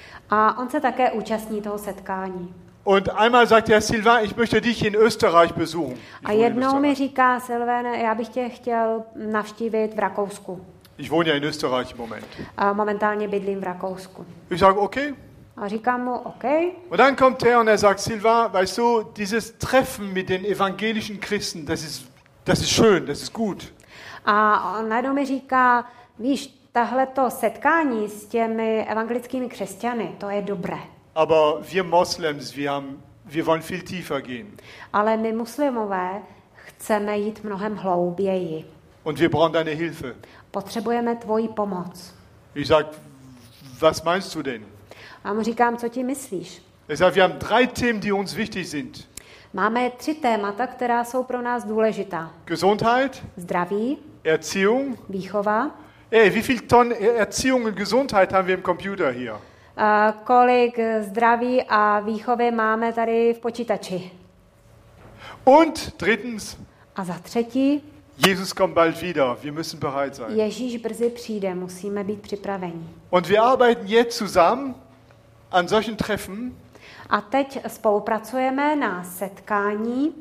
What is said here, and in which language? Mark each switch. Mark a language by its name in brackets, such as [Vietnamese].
[Czech] A on se také účastní toho setkání. [German] Und einmal sagt er, Sylvain, ich möchte dich in Österreich besuchen. [Czech] A jednou mi říká, Sylvain, já bych tě chtěl navštívit v Rakousku. [German] Ich wohne ja in Österreich im Moment. [Czech] A momentálně bydlím v Rakousku. [German] Ich sage, okay. [Czech] A říkám mu, okay. [German] Und dann kommt er und er sagt, Sylvain, weißt du, dieses Treffen mit den evangelischen Christen, das ist schön, das ist gut. [Czech] A on najednou mi říká, víš, tahle to setkání s těmi evangelickými křesťany, to je dobré. [German] Aber wir Moslems, wir wollen viel tiefer gehen. [Czech] Ale my muslimové chceme jít mnohem hlouběji. [German] Und wir brauchen deine Hilfe. [Czech] Potřebujeme tvoji pomoc. [German] Ich sag, was meinst du denn? [Czech] A mu říkám, co ti myslíš? [German] Ich sag, wir haben drei Themen, die uns wichtig sind. [Czech] Máme tři témata, která jsou pro nás důležitá. [German] Gesundheit. [Czech] Zdraví. [German] Erziehung. [Czech] Výchova. [German] Ey, wie viel Tonnen Erziehung und Gesundheit haben wir im Computer hier? [Czech] Kolik zdraví a výchovy máme tady v počítači. [German] Und drittens. [Czech] A za třetí. [German] Jesus kommt bald wieder. Wir müssen bereit sein. [Czech] Ježíš brzy přijde, musíme být připraveni. [German] Und wir arbeiten jetzt zusammen an solchen Treffen. [Czech] A teď spolupracujeme na setkání.